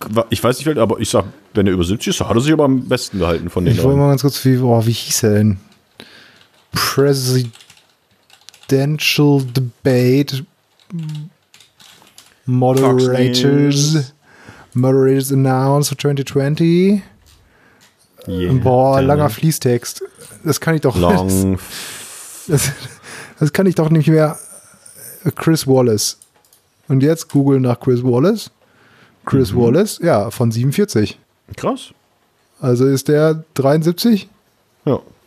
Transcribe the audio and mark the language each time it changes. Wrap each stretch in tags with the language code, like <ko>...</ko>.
<de>Ich weiß nicht, aber ich sag, wenn er über 70 ist, hat er sich aber am besten gehalten von den. Ich wollte mal ganz kurz, wie hieß er denn?</de> <en>Presidential Debate Moderators announced for 2020.</en> <de>Yeah. Boah, langer Fließtext. Das kann ich doch.</de> <en>Long.</en> <de>Das kann ich doch nicht mehr. Chris Wallace. Und jetzt googeln nach Chris Wallace. Chris Wallace, ja, von 47. Krass. Also ist der 73? Ja.</de>